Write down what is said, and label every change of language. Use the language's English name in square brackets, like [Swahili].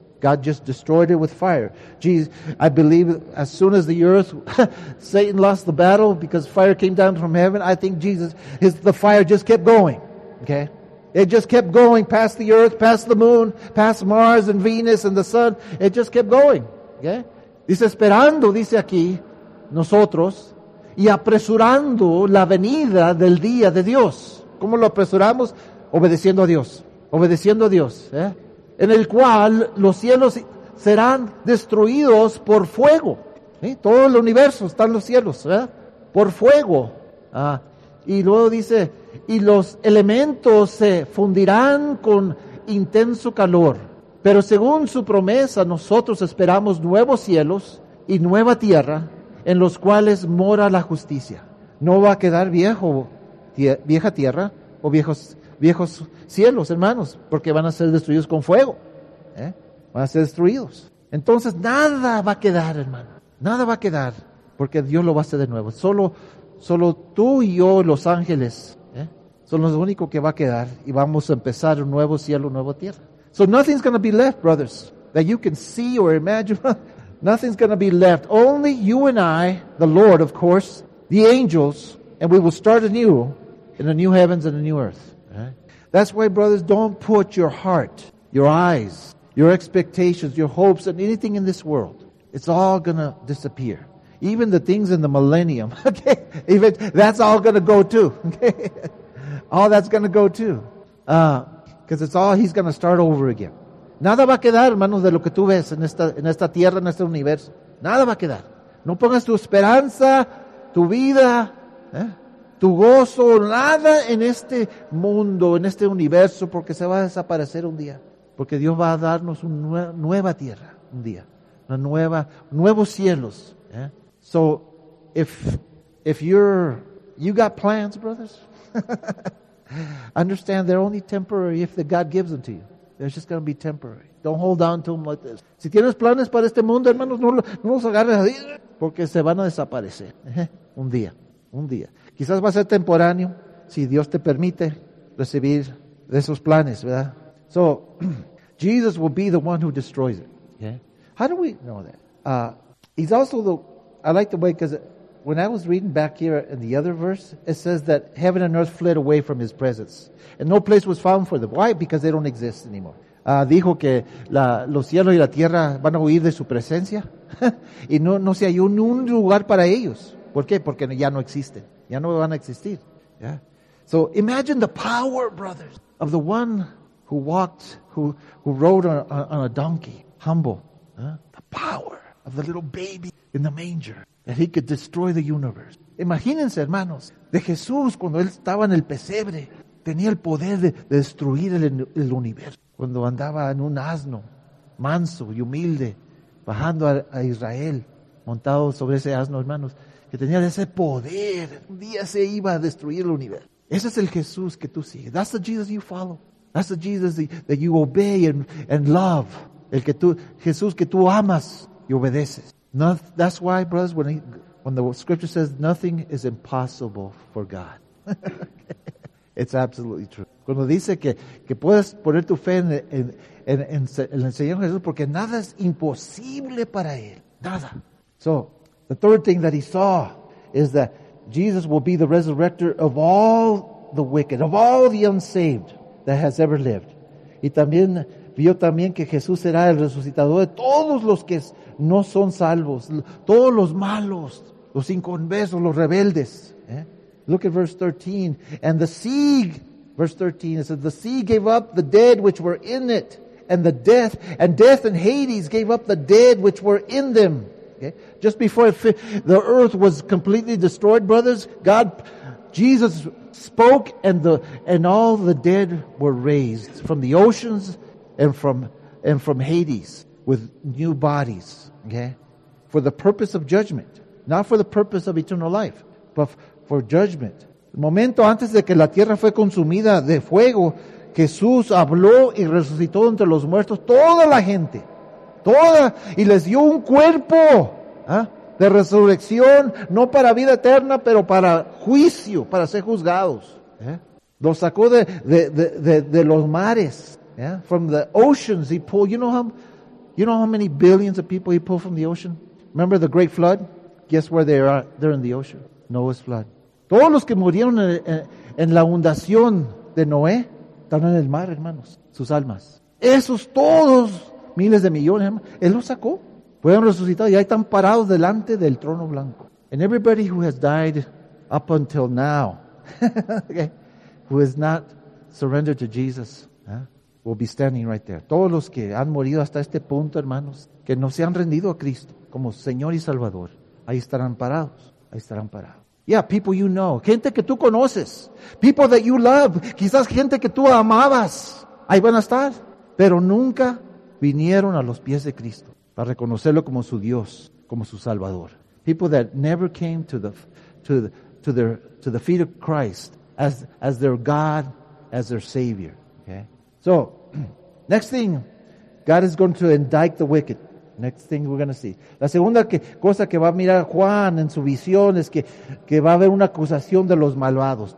[English] God just destroyed it with fire. Jesus, I believe as soon as the earth, Satan lost the battle because fire came down from heaven, I think the fire just kept going. Okay? It just kept going past the earth, past the moon, past Mars and Venus and the sun. It just kept going. Okay? [Spanish] Dice, esperando, dice aquí, nosotros, y apresurando la venida del día de Dios. ¿Cómo lo apresuramos? Obedeciendo a Dios. Obedeciendo a Dios, en el cual los cielos serán destruidos por fuego. Todo el universo están los cielos, por fuego. Y luego dice, y los elementos se fundirán con intenso calor. Pero según su promesa, nosotros esperamos nuevos cielos y nueva tierra en los cuales mora la justicia. No va a quedar vieja tierra o viejos cielos, hermanos, porque van a ser destruidos con fuego. Van a ser destruidos. Entonces, nada va a quedar, hermano. Nada va a quedar, porque Dios lo va a hacer de nuevo. Solo tú y yo, los ángeles, son los únicos que va a quedar y vamos a empezar un nuevo cielo, nueva tierra. [English] So nothing's going to be left, brothers, that you can see or imagine. Nothing's going to be left. Only you and I, the Lord, of course, the angels, and we will start anew in a new heavens and a new earth. That's why, brothers, don't put your heart, your eyes, your expectations, your hopes, and anything in this world. It's all going to disappear. Even the things in the millennium. Okay, even that's all going to go too. Okay, all that's going to go too. Because it's all, he's going to start over again. [Spanish] Nada va a quedar, hermanos, de lo que tú ves en esta tierra, en este universo. Nada va a quedar. No pongas tu esperanza, tu vida, tu gozo, nada en este mundo, en este universo, porque se va a desaparecer un día. Porque Dios va a darnos una nueva tierra un día. Nuevos cielos. Yeah? [English] So, if you got plans, brothers, understand they're only temporary if God gives them to you. They're just going to be temporary. Don't hold on to them like this. [Spanish] Si tienes planes para este mundo, hermanos, no los agarres así, porque se van a desaparecer un día. Un día. Quizás va a ser temporáneo si Dios te permite recibir de esos planes, ¿verdad? [English] So, Jesus will be the one who destroys it. Yeah. How do we know that? He's also I like the way, because when I was reading back here in the other verse, it says that heaven and earth fled away from his presence. And no place was found for them. Why? Because they don't exist anymore. [Spanish] Dijo que los cielos y la tierra van a huir de su presencia. Y no se halló un lugar para ellos. ¿Por qué? Porque ya no existen. Ya no van a existir. Yeah. [English] So imagine the power, brothers, of the one who walked, who rode on a donkey. humble. Huh? The power of the little baby in the manger. That he could destroy the universe. [Spanish] Imagínense, hermanos, de Jesús cuando él estaba en el pesebre. Tenía el poder de destruir el universo. Cuando andaba en un asno, manso y humilde, bajando a Israel, montado sobre ese asno, hermanos, que tenía ese poder. Un día se iba a destruir el universo. Ese es el Jesús que tú sigues. [English] That's the Jesus you follow. That's the Jesus that you obey and love. [Spanish] El que tú, Jesús que tú amas y obedeces. [English] Not, that's why, brothers, when the scripture says nothing is impossible for God. It's absolutely true. [Spanish] Cuando dice que puedes poner tu fe en el Señor Jesús, porque nada es imposible para Él. Nada. [English] So, the third thing that he saw is that Jesus will be the resurrector of all the wicked, of all the unsaved that has ever lived. [Spanish] Y también vio también que Jesús será el resucitador de todos los que no son salvos, todos los malos, los inconversos, los rebeldes. [English] Look at verse 13. And the sea, verse 13, it says, the sea gave up the dead which were in it, and death and Hades gave up the dead which were in them. Okay? Just before the earth was completely destroyed, brothers, God, Jesus spoke, and all the dead were raised from the oceans and from Hades with new bodies. Okay? For the purpose of judgment, not for the purpose of eternal life, but for judgment. [Spanish] El momento antes de que la tierra fue consumida de fuego, Jesús habló y resucitó entre los muertos toda la gente. Toda. Y les dio un cuerpo de resurrección, no para vida eterna, pero para juicio, para ser juzgados. Los sacó de los mares. [English] From the oceans he pulled. You know how many billions of people he pulled from the ocean? Remember the great flood? Guess where they are? They're in the ocean. Noah's flood. [Spanish] Todos los que murieron en la inundación de Noé están en el mar, hermanos, sus almas. Esos todos, miles de millones, hermanos, Él los sacó. Fueron resucitados y ahí están parados delante del trono blanco. [English] And everybody who has died up until now, okay, who has not surrendered to Jesus, will be standing right there. [Spanish] Todos los que han morido hasta este punto, hermanos, que no se han rendido a Cristo como Señor y Salvador, ahí estarán parados, ahí estarán parados. [English] Yeah, people you know. [Spanish] Gente que tú conoces. [English] People that you love. [Spanish] Quizás gente que tú amabas. Ahí van a estar. Pero nunca vinieron a los pies de Cristo para reconocerlo como su Dios, como su Salvador. [English] People that never came to the feet of Christ as their God, as their Savior. Okay? So, next thing, God is going to indict the wicked. Next thing we're going to see. [Spanish] La segunda cosa que va a mirar Juan en su visión es que va a haber una acusación de los malvados.